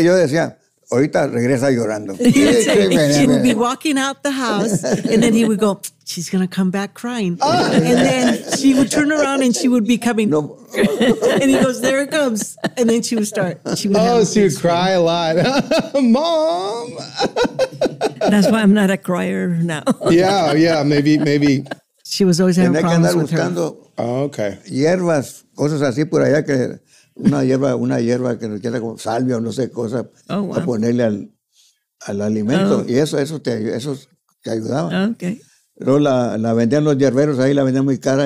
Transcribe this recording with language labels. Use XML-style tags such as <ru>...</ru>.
<es>Yo decía, ahorita regresa llorando.</es> <en>She would be walking out the house, and then he would go, she's going to come back crying. And then she would turn around, and she would be coming. No. And he goes, there it comes. And then she would start. She would cry a lot. Mom! That's why I'm not a crier now. Yeah, maybe. She was always having problems with her. Oh, okay.</en> <es>Hierbas, cosas así por allá que una hierba que nos queda como salvia o no sé cosa,</es> <en>oh, wow,</en> <es>a ponerle al alimento. Oh. Y eso te ayudaba.</es> <en>Okay.</en> <es>Pero la vendían los hierberos, ahí la vendían muy cara.</es>